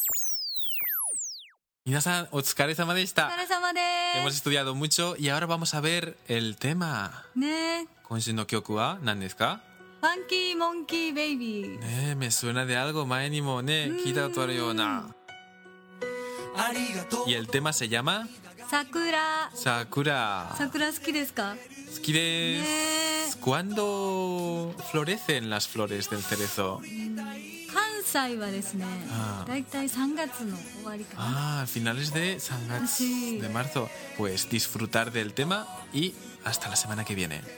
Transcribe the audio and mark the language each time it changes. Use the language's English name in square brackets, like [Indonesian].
[Japanese] タイル教室に行ってきました。帰りに新しい春のショートブーツを買いました。超可愛い。明日これを履いてお出かけしよう。皆さん、お疲れ様でした。お疲れ様です。 [Spanish] Hemos estudiado mucho y ahora vamos a ver el tema. [Japanese] ね。今週の曲は何ですか？ [English] Funky Monkey Baby. [Japanese] ねえ、 [Spanish] me suena de algo [Japanese] 前にもね、聞いたことあるような。 [Spanish] Y el tema se llama? [Japanese] 桜。桜。桜好きですか？好きです。ねえ。 [Spanish] ¿Cuándo florecen las flores del cerezo? [Japanese] 関西はですね、だいたい3月の終わりかな。 [Spanish] Ah, finales de 3月de marzo. Pues disfrutar del tema y hasta la semana que viene.